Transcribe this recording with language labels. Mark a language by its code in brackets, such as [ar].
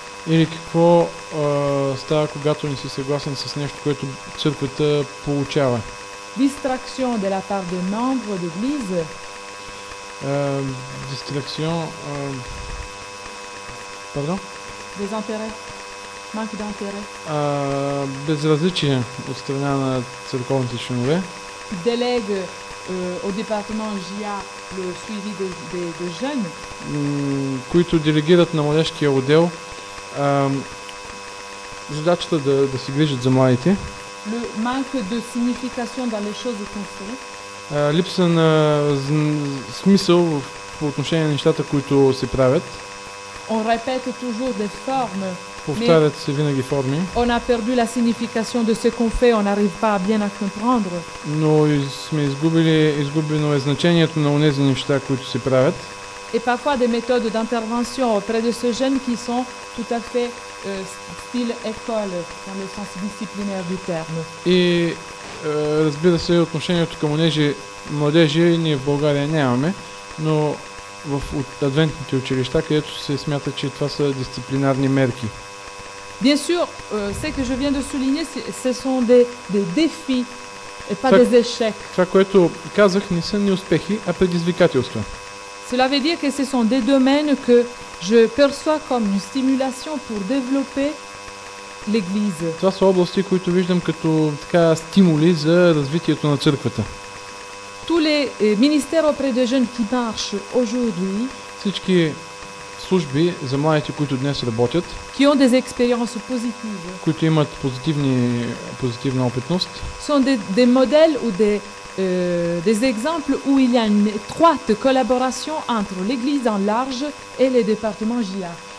[bg] Или какво става, когато не си съгласен с нещо, което църквата получава? [fr] Distraction de la part des membres de l'Église. Distraction. Pardon? Des intérêts. Manque d'intérêt. [bg] Безразличие от страна на църковните членове. [fr] Délègue au département GIA le suivi de jeunes. [bg] Които делегират на младежкия отдел. Задачата да се грижат за младите. [fr] Le manque de signification dans les choses qu'on fait. [bg] Липса на смисъл по отношение на нещата, които се правят. [fr] On répète toujours des formes. [bg] Повтарят се винаги форми. [fr] On a perdu la signification de ce qu'on fait, on n'arrive pas bien à comprendre. [bg] Но сме изгубено е значението на онези неща, които се правят. [fr] Et parfois des méthodes d'intervention auprès de ce jeune qui sont tout à fait style école dans le sens disciplinaire du terme. [bg] Et разбира се, отношението към онези младежи ние в България нямаме, но в адвентните училища, където се смята, че това са дисциплинарни мерки. [fr] Bien sûr, ce que je viens de souligner, ce sont des défis et pas des échecs. [bg] Това, което казах, не са ни успехи, а предизвикателства. [fr] Cela veut dire que ce sont des domaines que je perçois comme une stimulation pour développer l'Église. [bg] Това са области, които виждам като така стимули за развитието на църквата. [fr] Tous les ministères auprès des jeunes qui marchent aujourd'hui. [bg] Всички служби за младите, които днес работят. [fr] Qui ont des expériences positives. [bg] Които имат позитивна опитност. [fr] Sont des modèles ou des exemples où il y a une étroite collaboration entre l'Église en large et les départements GIA.